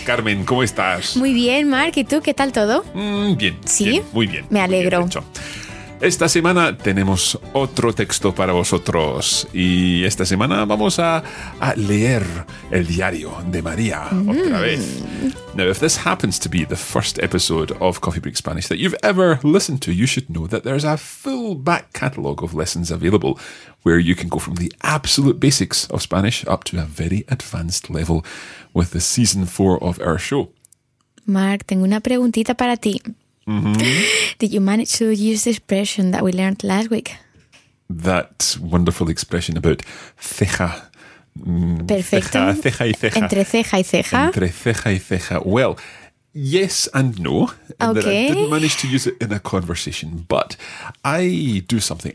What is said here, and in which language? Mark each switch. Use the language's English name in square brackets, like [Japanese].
[Spanish] Carmen, ¿cómo estás? Muy bien, Mark, ¿y tú? ¿Qué tal todo? Bien, ¿sí? Bien, muy bien. Me alegro. Bien, esta semana tenemos otro texto para vosotros y esta semana vamos a leer el diario de María otra vez. [English] Now, if this happens to be the first episode of Coffee Break Spanish that you've ever listened to, you should know that there's a full back catalogue of lessons available where you can go from the absolute basics of Spanish up to a very advanced level with the season 4 of our show. [Spanish] Mark, tengo una preguntita para ti. [English] Did you manage to use the expression that we learned last week? That wonderful expression about ceja. [Spanish] Perfecto. Ceja y ceja. Entre ceja y ceja. Entre ceja y ceja. [English] Well, yes and no. Okay. I didn't manage to use it in a conversation, but I do something.